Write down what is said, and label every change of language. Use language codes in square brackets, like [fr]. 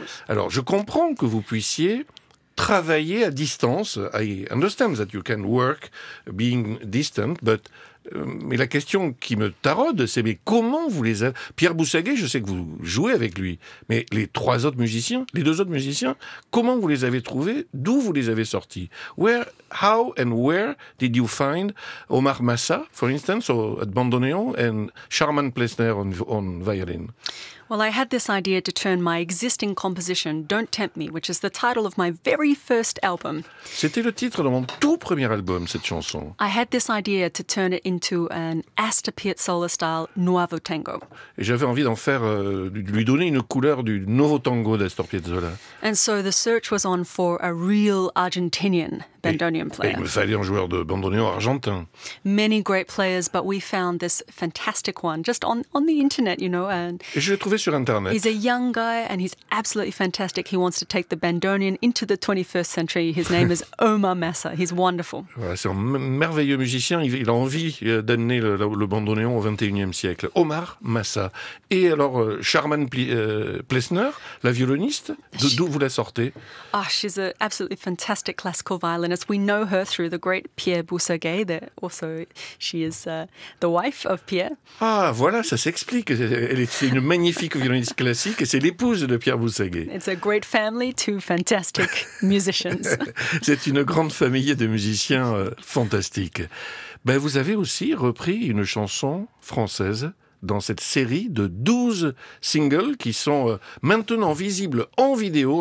[fr] Alors, je comprends que vous puissiez travailler à distance. [en] I understand that you can work being distant, but [fr] mais la question qui me taraude, c'est mais comment vous les avez... Pierre Boussaguet, je sais que vous jouez avec lui, mais les trois autres musiciens, les deux autres musiciens, comment vous les avez trouvés? D'où vous les avez sortis? [en] Where, how and where did you find Omar Massa, for instance, or at bandoneon, and Charmaine Plessner on violin? Well, I had this idea to turn my existing composition, Don't Tempt Me, which is the title of my very first album. [fr] C'était le titre de mon tout premier album, cette chanson. [en] I had this idea to turn it into an Astor Piazzolla style Nuovo Tango. [fr] Et j'avais envie d'en faire, de lui donner une couleur du Nuovo Tango d'Astor Piazzolla. [en] And so the search was on for a real Argentinian bandoneon player. [fr] Et il me fallait un joueur de bandoneon argentin. [en] Many great players, but we found this fantastic one, just on the internet, you know. And [fr] et je l'ai trouvé sur internet. [en] He's a young guy and he's absolutely fantastic. He wants to take the bandoneon into the 21st century. His name is Omar Massa. He's wonderful. [fr] Voilà, c'est un merveilleux musicien. Il a envie d'amener le bandoneon au 21e siècle. Omar Massa. Et alors, Charmaine Plessner, la violoniste, d'où vous la sortez? [en] Ah, she's an absolutely fantastic classical violin. We know her through the great Pierre Boussaguet. That also, she is the wife of Pierre. [fr] Ah, voilà, ça s'explique. Elle est une magnifique violoniste classique et c'est l'épouse de Pierre Boussaguet. [en] It's a great family, two fantastic musicians. [fr] C'est une grande famille de musiciens fantastiques. Ben, vous avez aussi repris une chanson française dans cette série de 12 singles qui sont maintenant visibles en vidéo.